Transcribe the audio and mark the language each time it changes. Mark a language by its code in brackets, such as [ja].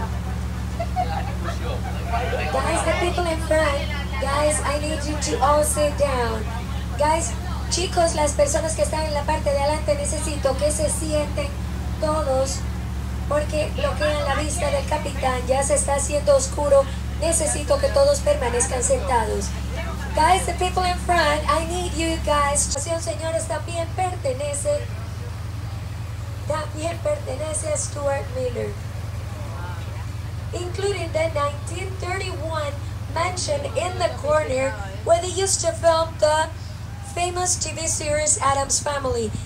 [en] Guys, the people in front, guys, I need you to all sit down. [es] Guys, chicos, las personas que están en la parte de adelante, necesito que se sienten todos porque bloquean la vista del capitán. Ya se está haciendo oscuro. Necesito que todos permanezcan sentados. [en] Guys, the people in front, I need you guys. [es] La situación, señores, también pertenece a Stuart Miller. [en] Including the 1931 mansion in the corner where they used to film the famous TV series Adam's Family.